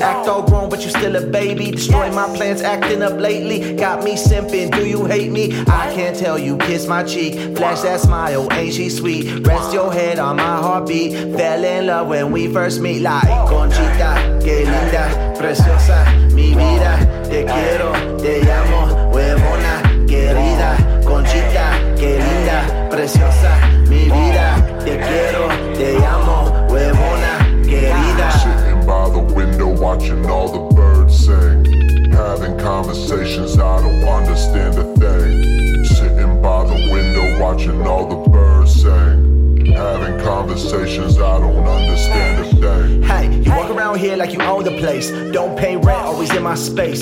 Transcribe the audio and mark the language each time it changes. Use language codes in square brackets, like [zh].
[en] Act all grown, but you still a baby. Destroying my plans, acting up lately. Got me simping, do you hate me? I can't tell you, kiss my cheek. Flash that smile, ain't she sweet? Rest your head on my heartbeat. Fell in love when we first meet. [es] Like, conchita, que linda, preciosa, mi vida. Te quiero, te llamo, huevona, querida. Conchita, que linda, preciosa, mi vida. Te quiero, te llamo, huevona, querida. [en] Sitting by the window watching all the birds sing. Having conversations, I don't understand a thing. Sitting by the window watching all the birds sing. Having conversations, I don't understand a thing. Hey, you walk around here like you own the place. Don't pay rent, always in my space.